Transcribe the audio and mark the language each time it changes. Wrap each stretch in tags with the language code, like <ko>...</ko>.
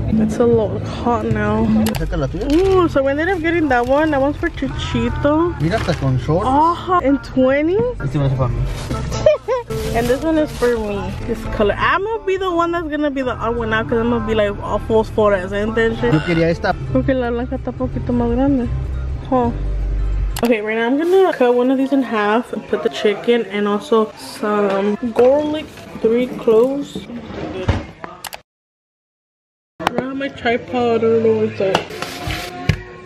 <en>It's a little hot now.</en> <es>¿Saca la tuya?</es> <en>So we ended up getting that one. That one's for Chuchito.</en> <es>Mira, hasta con shorts.</es> <en>Ajá. And 20.</en> <es>Este va a ser para mí.</es> <en>And this one is for me. This color. I'm gonna be the one that's gonna be the odd one out because I'm gonna be like all false fluorescent and shit.</en> <es>Yo quería esta. Porque la blanca está un poquito más grande. Huh.</es> <en>Okay, right now I'm gonna cut one of these in half and put the chicken and also some garlic, 3 cloves. Grab my tripod, I don't know what's that.</en>